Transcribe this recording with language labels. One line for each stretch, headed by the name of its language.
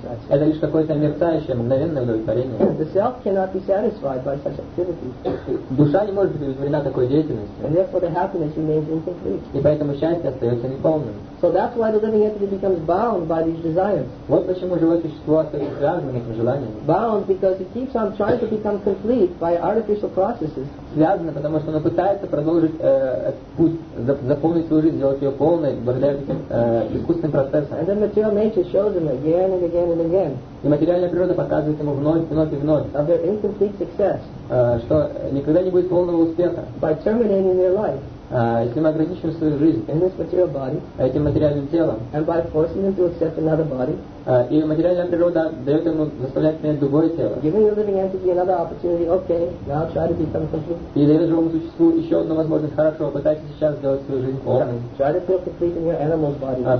Russian: Это лишь какое-то мерцающее, мгновенное удовлетворение.
English: The self cannot be satisfied by such activities.
Russian: Душа не может быть удовлетворена такой деятельностью.
English: And therefore the happiness remains incomplete.
Russian: И поэтому счастье остается неполным.
English: So that's why the living entity becomes bound by these desires.
Russian: Вот почему живое существо остается связанным этим желанием.
English: Bound because it keeps on trying to become complete by artificial processes.
Russian: Связано, потому что оно пытается продолжить путь, заполнить свою жизнь, сделать ее полной благодаря этим искусственным процессам.
English: And then material nature shows them again and again and again.
Russian: И материальная природа показывает ему вновь, вновь и вновь.
English: Of their incomplete success.
Russian: Что никогда не будет полного успеха.
English: By terminating their life.
Russian: Если мы ограничим свою жизнь этим материальным телом, и материальная природа дает ему заставлять принять другое тело, и дает живому существу еще одну возможность, хорошо, пытайтесь сейчас сделать свою жизнь полной.